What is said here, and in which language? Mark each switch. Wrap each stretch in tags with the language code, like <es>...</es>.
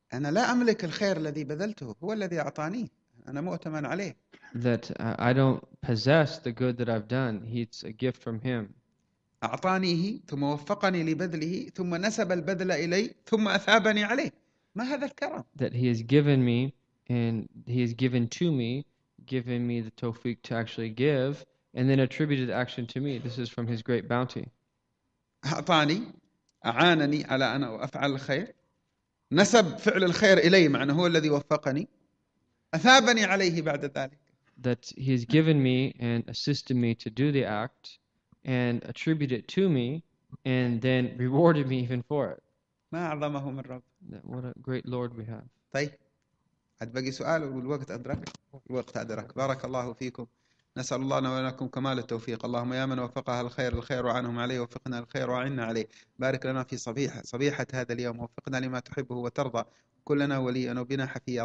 <ar>أنا لا أملك الخير الذي بذلته، هو الذي أعطاني، أنا مؤتمن عليه.</ar> <en>That I don't possess the good that I've done. It's a gift from him.</en> <ar>أعطانيه ثم وفقني لبذله ثم نسب البذل إلي ثم أثابني عليه. ما هذا الكرم؟</ar> <en>That he has given me and he has given to me, given me the tawfiq to actually give and then attributed action to me. This is from his great bounty.</en> <ar>أعطاني، أعانني على أن أفعل الخير، نسب فعل الخير إلي معنى هو الذي وفقني، أثابني عليه بعد ذلك.</ar> <en>That he has given me and assisted me to do the act and attributed to me and then rewarded me even for it.</en> <ar>ما أعظمه من رب.</ar> <en>What a great Lord we have.</en> <ar>طيب عاد بقي سؤال والوقت أدرك، الوقت أدرك. بارك الله فيكم، نسأل الله لنا ولكم كمال التوفيق. اللهم يا من وفقها الخير الخير وعنهم عليه، وفقنا الخير وعنا عليه، بارك لنا في صبيحة هذا اليوم، وفقنا لما تحبه وترضى، كلنا ولي أن بنا حفية.</ar>